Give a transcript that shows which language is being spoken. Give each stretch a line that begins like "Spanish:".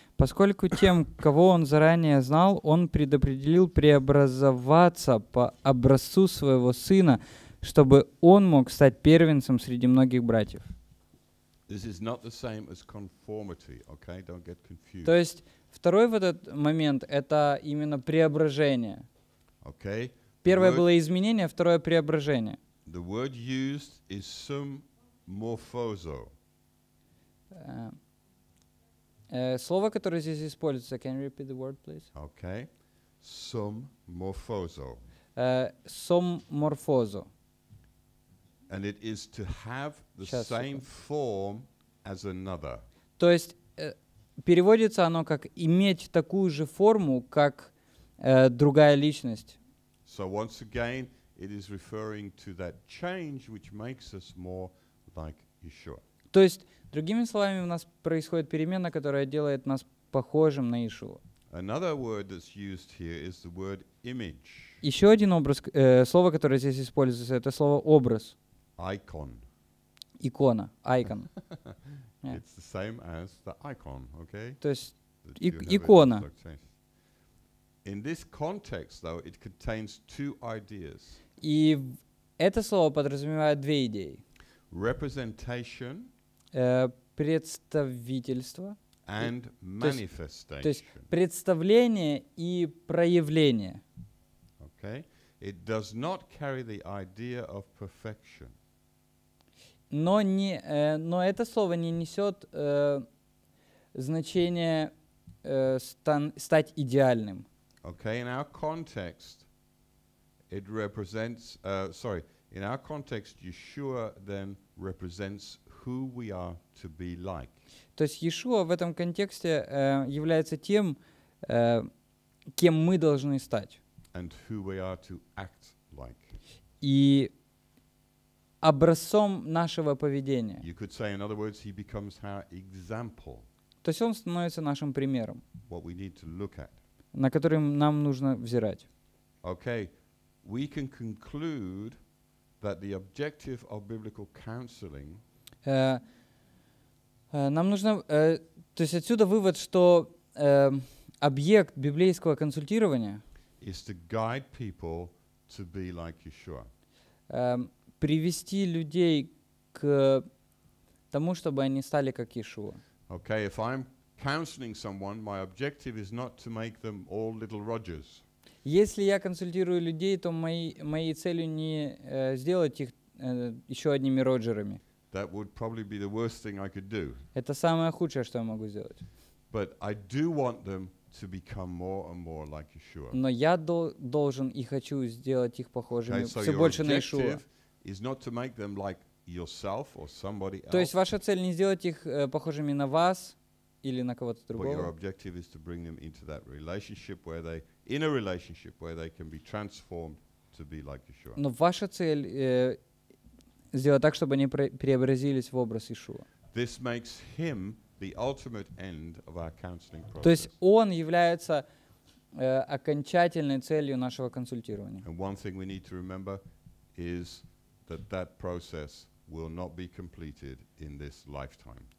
Russian: Поскольку тем, кого он заранее знал, он предопределил преобразоваться по образцу своего сына, чтобы он мог стать первенцем среди многих братьев.
English: This is not the same as conformity, okay? Don't get confused.
Russian: То есть второй вот этот момент — это именно преображение.
English: Okay.
Russian: Первое было изменение, второе — преображение.
English: The word used is symmorphozo.
Russian: Слово, которое здесь используется,
English: can you repeat the word, please? Okay. Symmorphozo. Symmorphozo. And it is to have the same form as another.
Russian: То есть переводится оно как иметь такую же форму, как другая личность.
English: So once again, it is referring to that change which makes us more like Yeshua.
Russian: То есть, другими словами, у нас происходит перемена, которая делает нас похожим на Иешуа.
English: Another word that's used here is the word image.
Russian: Еще один образ, слово, которое здесь используется, это слово образ.
English: Icon.
Russian: Икона. Icon.
English: Yeah. It's the same as the icon, okay?
Russian: То есть икона.
English: In this context, though, it contains two ideas.
Russian: И это слово подразумевает две идеи.
English: Representation.
Russian: Представительство.
English: And manifestation.
Russian: То есть представление и проявление.
English: Okay? It does not carry the idea of perfection.
Russian: Но это слово не несет значение стать идеальным.
English: Okay, in our context, it represents, sorry, In our context, Yeshua then represents who we are to be like.
Russian: То есть Иешуа в этом контексте является тем, кем мы должны стать.
English: And who we are to act like.
Russian: И образцом нашего поведения.
English: You could say, in other words, he becomes our example.
Russian: То есть он становится нашим примером,
English: what we need to look at.
Russian: На который нам нужно взирать.
English: Okay, we can conclude that the objective of biblical counseling.
Russian: Нам нужно, то есть отсюда вывод, что объект библейского консультирования
English: is to guide people to be like Yeshua.
Russian: Привести людей к тому, чтобы они стали как Иешуа.
English: Okay, if I'm counseling someone, my objective is not to make them all little Rogers.
Russian: Если я консультирую людей, то моей целью не сделать их еще одними Роджерами.
English: That would probably be the worst thing I could do.
Russian: Это самое худшее, что я могу сделать.
English: But I do want them to become more and more like Yeshua.
Russian: Но я должен и хочу сделать их похожими все больше на Иешуа.
English: Is not to make them like yourself or somebody else.
Russian: То есть ваша цель не сделать их похожими на вас или на кого-то другого.
English: But your objective is to bring them into that relationship where they in a relationship where they can be transformed to be like Yeshua.
Russian: Но ваша цель сделать так, чтобы они преобразились в образ Иешуа.
English: This makes him the ultimate end of our counseling process.
Russian: То есть он является окончательной целью нашего консультирования.
English: And one thing we need to remember is that process will not be completed in this lifetime.